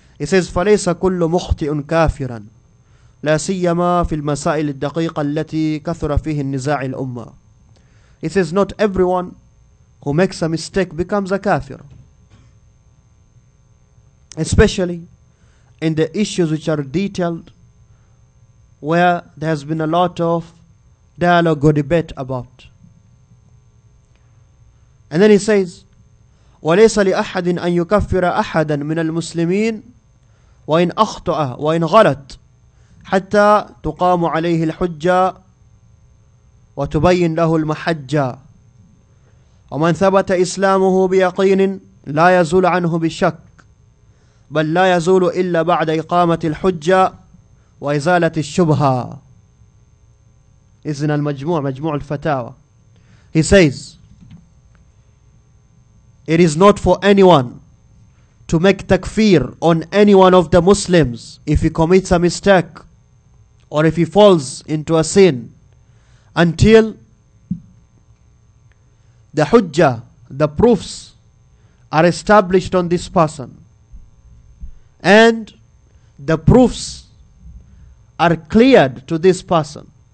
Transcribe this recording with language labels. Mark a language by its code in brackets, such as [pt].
[en] He says, [ar] فَلَيْسَ كُلُّ مُخْطِئٌ كَافِرًا لا سيما في المسائل الدقيقة التي كثر فيه النزاع الأمة. [en] He says, not everyone who makes a mistake becomes a kafir. Especially in the issues which are detailed, where there has been a lot of dialogue or debate about. And then he says, [ar] وَلَيْسَ لِأَحَدٍ أَن يُكَفِّرَ أَحَدًا مِنَ الْمُسْلِمِينَ وَإِنْ أَخْطَأَ وَإِنْ غَلَطَ حَتَّى تُقَامُ عَلَيْهِ الْحُجَّةُ وَتُبَيِّنْ لَهُ الْمَحَجَّةُ وَمَنْ ثَبَتَ إِسْلَامُهُ بِيَقِينٍ لَا يَزُولُ عَنْهُ بِالشَّكِّ بَلْ لَا يَزُولُ إِلَّا بَعْدَ إِقَامَةِ الْحُجَّةِ وَإِزَالَةِ الشُّبْهَةِ. إذن المجموع مجموع الفتاوى. [en] He says, it is not for anyone to make takfir on any one of the Muslims if he commits a mistake or if he falls into a sin until the hujjah, the proofs, are established on this person and the proofs are cleared to this person.